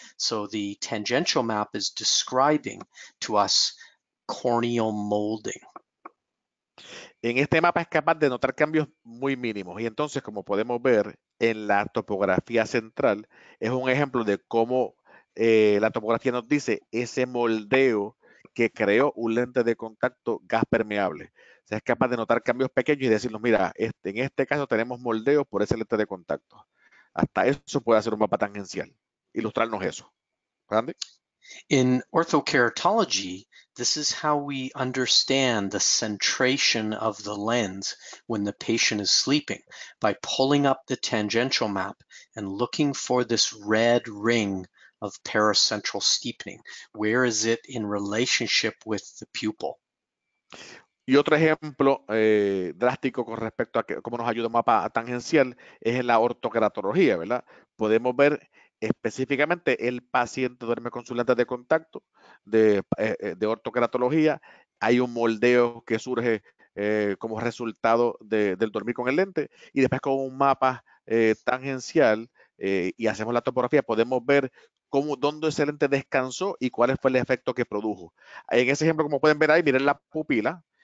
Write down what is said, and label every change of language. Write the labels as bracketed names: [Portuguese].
[English] So the tangential map is describing to us corneal molding. [Spanish] En este mapa es capaz de notar cambios muy mínimos. Y entonces, como podemos ver en la topografía central, es un ejemplo de cómo la topografía nos dice ese moldeo que creó un lente de contacto gas permeable. O sea, es capaz de notar cambios pequeños y decirnos, mira, en este caso tenemos moldeo por ese lente de contacto. Hasta eso puede hacer un mapa tangencial, ilustrarnos eso. ¿Randy? [English] In orthokeratology, this is how we understand the centration of the lens when the patient is sleeping, by pulling up the tangential map and looking for this red ring of paracentral steepening. Where is it in relationship with the pupil? [Spanish] Y otro ejemplo drástico con respecto a cómo nos ayuda un mapa tangencial es en la ortokeratología, ¿verdad? Podemos ver específicamente el paciente duerme con su lente de contacto de ortokeratología. Hay un moldeo que surge como resultado del dormir con el lente y después con un mapa tangencial y hacemos la topografía, podemos ver cómo, dónde ese lente descansó y cuál fue el efecto que produjo. En ese ejemplo, como pueden ver ahí, miren la pupila,